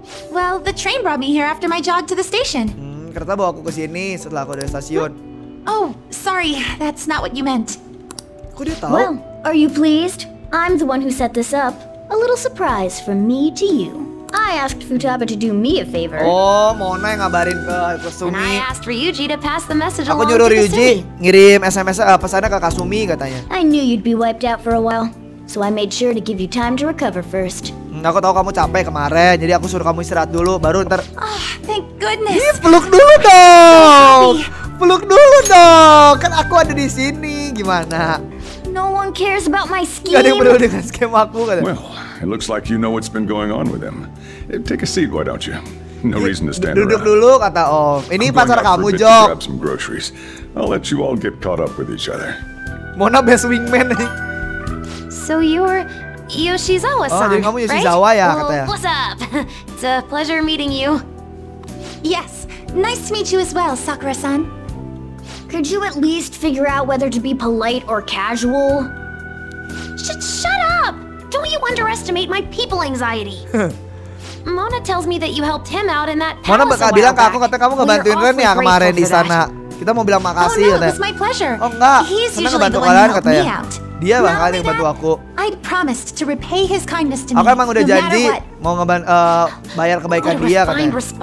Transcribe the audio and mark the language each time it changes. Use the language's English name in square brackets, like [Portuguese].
[English] Well, the train brought me here after my jog to the station. [Indonesian] Kereta bawa aku ke sini setelah aku dari stasiun. [English] Oh, sorry. That's not what you meant. [Indonesian] Kok dia tahu? [English] Well, are you pleased? I'm the one who set this up. A little surprise from me to you. I asked Futaba to do me a favor. [Indonesian] Oh, Mona yang ngabarin ke Kasumi. [English] And I asked Ryuji to pass the message. [Indonesian] Aku nyuruh Ryuji ngirim SMS pesannya ke Kasumi katanya. [English] I knew you'd be wiped out for a while, so I made sure to give you time to recover first. [Indonesian] Aku tahu kamu capek kemarin, jadi aku suruh kamu istirahat dulu, baru ntar. [English] Oh, thank goodness. [Indonesian] Ih, peluk dulu dong. Peluk dulu dong. Kan aku ada di sini, gimana? [English] No one cares about my scheme. [Indonesian] Gak ada yang peduli dengan skema aku katanya. [English] Well. It looks like you know what's been going on with him. Take a seat, why don't you? No reason to stand [Indonesian] duduk Dulu, kata Om. Ini pacar kamu, Jo. [English] Grab some groceries. I'll let you all get caught up with each other. Mona best wingman. So you're Yoshizawa-san, right? [Indonesian] Kamu Yoshizawa ya, katanya. [English] Well, what's up? It's a pleasure meeting you. Yes, nice to meet you as well, Sakura-san. Could you at least figure out whether to be polite or casual? Shut up! Don't you underestimate my people anxiety. Mona tells me that you helped him out in that. [Indonesian] Mona bakal bilang ke aku, katanya kamu ngebantuin Ren ya kemarin di sana. Kita mau bilang makasih. [English] Oh, no, it was my pleasure. [Indonesian] Oh enggak, senang ngebantu kalian katanya. Dia bakal ngebantu aku. [English] I promised to repay his kindness to me. [Indonesian] Aku emang udah janji mau bayar kebaikan dia katanya.